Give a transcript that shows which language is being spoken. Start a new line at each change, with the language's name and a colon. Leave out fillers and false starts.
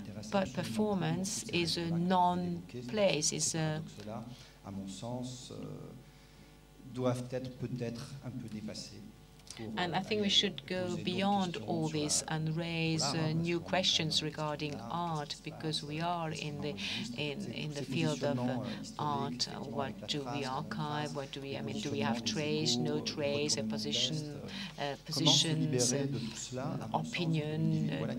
English: But performance is a non-place. It's a.
French: À mon sens. Doivent être peut-être un peu dépassés.
English: And I think we should go beyond all this and raise new questions regarding art, because we are in the field of art. What do we archive? What do we? I mean, do we have trace? No trace? Positions? Opinion?